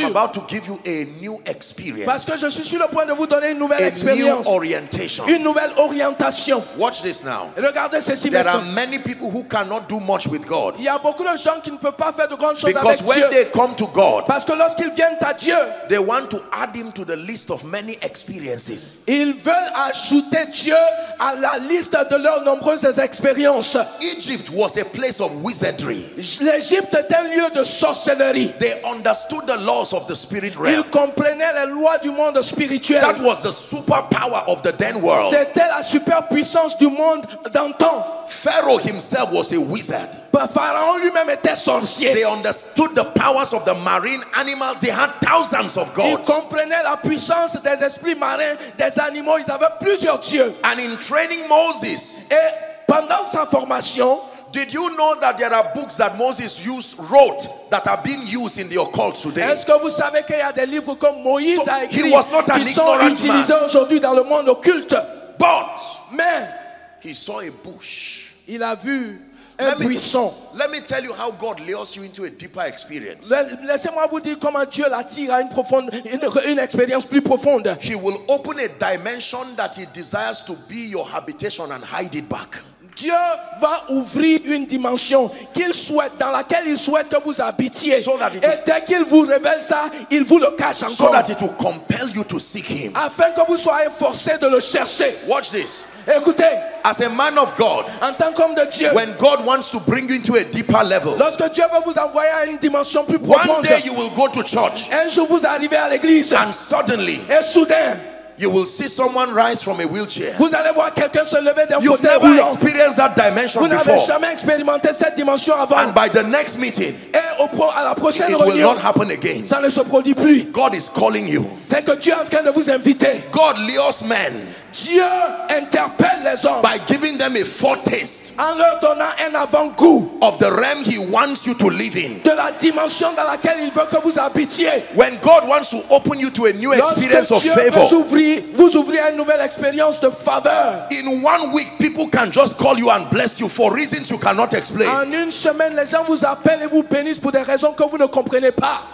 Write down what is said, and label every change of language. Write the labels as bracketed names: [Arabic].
[English] I'm about to give you a new experience. [French] Parce que je suis sur le point de vous donner une nouvelle expérience, une nouvelle orientation. [English] Watch this now. [French] Regardez ceci [English] there [French] maintenant. [English] Are many people who cannot do much with God. [French] Il y a beaucoup de gens qui ne peuvent pas faire de grandes choses [English] because [French] avec Dieu. [English] They come to God, [French] parce que lorsqu'ils viennent à Dieu, [English] they want to add him to the list of many experiences. [French] Ils veulent ajouter Dieu à la liste de leurs nombreuses expériences. [English] Egypt was a place of wizardry. [French] L'Égypte était un lieu de sorcellerie. [English] They understood the laws of the spirit realm. [French] Ils comprenaient les lois du monde spirituel. [English] That was the superpower of the then world. [French] C'était la superpuissance du monde d'antan. [English] Pharaoh himself was a wizard. [French] Pharaon lui-même était sorcier. [English] They understood the powers of the marine animals. They had thousands of gods. [French] Ils comprenaient la puissance des esprits marins, des animaux. Ils avaient plusieurs dieux. [English] And in training Moses, [French] et pendant sa formation, [English] did you know that there are books that Moses wrote that are being used in the occult today? [French] Est-ce que vous savez qu'il y a des livres comme Moïse a écrit? [English] He was not an ignorant man. [French] Utilisés aujourd'hui dans le monde occulte. [English] But man, he saw a bush. [French] Il a vu un buisson. [English] Let me tell you how God lures you into a deeper experience. [French] Laissez-moi vous dire comment Dieu l'attire à une expérience plus profonde. [English] He will open a dimension that he desires to be your habitation and hide it back. [French] Dieu va ouvrir une dimension qu'il souhaite, dans laquelle il souhaite que vous habitiez. [English] So that [French] et dès qu'il vous révèle ça, il vous le cache encore. [English] So that it will compel you to seek him. [French] Afin que vous soyez forcé de le chercher. [English] Watch this. [French] Écoutez, [English] as a man of God, [French] en tant qu'homme de Dieu, [English] when God wants to bring you into a deeper level, [French] lorsque Dieu va vous envoyer à une dimension plus profonde, [English] one day you will go to church, [French] un jour vous arrivez à l'église, [English] and suddenly, [French] et soudain, [English] you will see someone rise from a wheelchair. [French] Vous allez voir quelqu'un se lever d'un fauteuil roulant. [English] You've never experienced that dimension [French] vous [English] before. [French] Vous n'avez jamais expérimenté cette dimension avant. [English] And by the next meeting, [French] et à la prochaine [English] it [French] réunion, [English] will not happen again. [French] Ça ne se produit plus. [English] God is calling you. [French] C'est que Dieu est en train de vous inviter. [English] God lures men. [French] Dieu interpelle les hommes. [English] By giving them a foretaste. [French] En leur donnant un avant-goût. [English] Of the realm he wants you to live in. [French] De la dimension dans laquelle il veut que vous habitiez. [English] When God wants to open you to a new experience of favor. [French] Vous ouvrez une nouvelle expérience de faveur. [English] In 1 week, people can just call you and bless you for reasons you cannot explain. [French] En une semaine, les gens vous appellent et vous bénissent pour des raisons que vous ne comprenez pas.